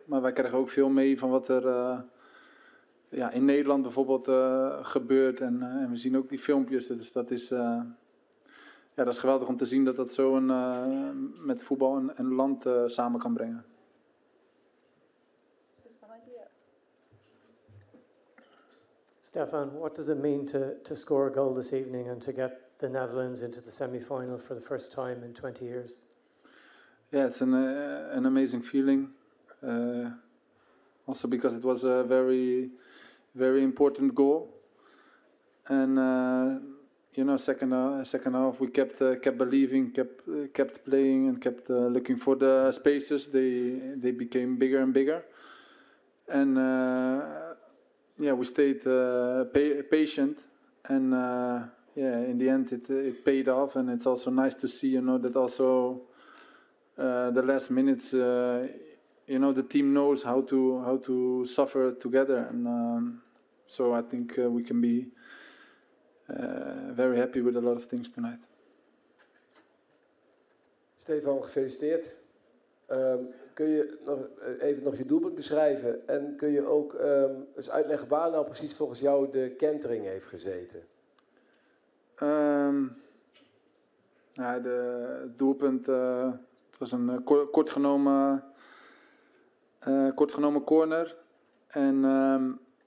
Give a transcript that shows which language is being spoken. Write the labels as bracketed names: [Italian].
[Dutch] Maar wij krijgen ook veel mee van wat er... Ja, in Nederland bijvoorbeeld gebeurt en we zien ook die filmpjes. Dus dat is, dat is geweldig om te zien dat zo met voetbal een land samen kan brengen. [English] Stefan, what does it mean to score a goal this evening and to get the Netherlands into the semi-final for the first time in 20 years? Yeah, it's an amazing feeling. Also because it was a very... very important goal, and second half we kept believing, kept playing, and kept looking for the spaces. They became bigger and bigger, and we stayed patient, and in the end it paid off, and it's also nice to see that also the last minutes the team knows how to suffer together and. So I think we can be very happy with a lot of things tonight. [Dutch] Stefan, gefeliciteerd. Kun je nog je doelpunt beschrijven? En kun je ook eens uitleggen waar nou precies volgens jou de kentering heeft gezeten? De doelpunt, het was een kort genomen corner. En...